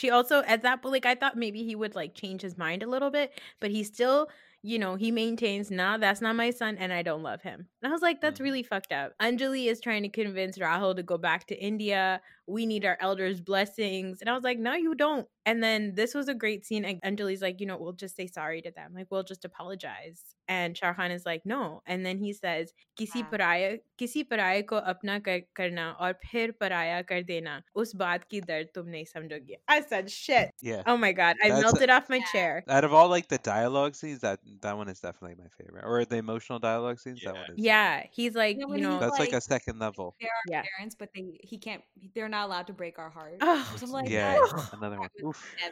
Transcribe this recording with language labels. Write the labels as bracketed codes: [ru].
[en] He also, at that point, like, I thought maybe he would like change his mind a little bit, but he still, you know, he maintains, nah, that's not my son and I don't love him. And I was like, that's really fucked up. Anjali is trying to convince Rahul to go back to India. We need our elders' blessings. And I was like, no, you don't. And then this was a great scene. And Anjali's like, you know, we'll just say sorry to them. Like, we'll just apologize. And Shahan is like, no. And then he says, [hi] किसी पराया को अपना करना और फिर पराया कर देना। उस बात की दर्द तुम नहीं समझोगे। [en] I said, shit. Yeah. Oh, my God. I melted off my chair. Out of all, like, the dialogue scenes, that one is definitely my favorite. Or the emotional dialogue scenes, yeah. That one is. Yeah. He's like, yeah, you know. That's like a second level. There are parents, but they're not allowed to break our hearts. So I'm like, yeah. Another one. Oof.